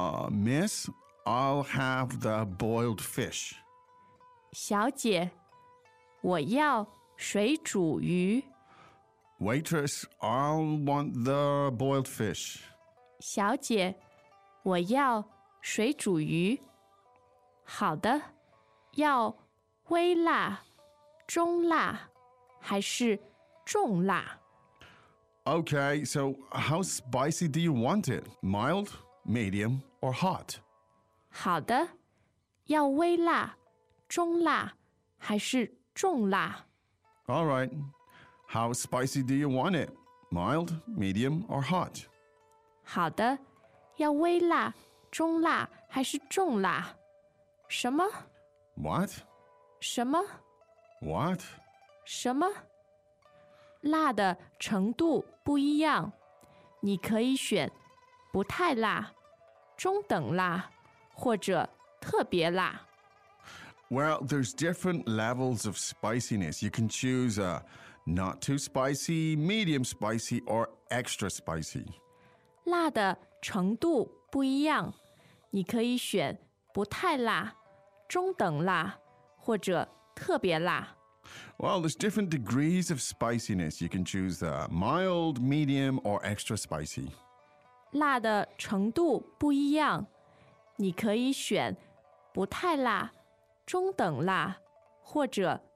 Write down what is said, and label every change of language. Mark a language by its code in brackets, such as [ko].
[en] Miss, I'll have the boiled fish. [zh] 小姐，我要水煮鱼。 [en] Waitress, I'll want the boiled fish. [zh] 小姐，我要水煮鱼。好的，要微辣、中辣还是重辣？ [en] Okay, so how spicy do you want it? Mild, medium, or hot? [zh] 好的，要微辣、中辣还是重辣？ [en] All right, how spicy do you want it? Mild, medium, or hot? [zh] 好的，要微辣、中辣还是重辣？什么? [en] What? [zh] 什么? [en] What? [zh] 什么? 辣的程度不一样，你可以选不太辣、中等辣或者特别辣。 [en] Well, there's different levels of spiciness. You can choose a not too spicy, medium spicy, or extra spicy. [zh] 辣的程度不一样，你可以选不太辣。中等辣或者特别辣。 [en] Well, there's different degrees of spiciness. You can choose the mild, medium, or extra spicy. [zh] 辣的程度不一样，你可以选不太辣、中等辣或者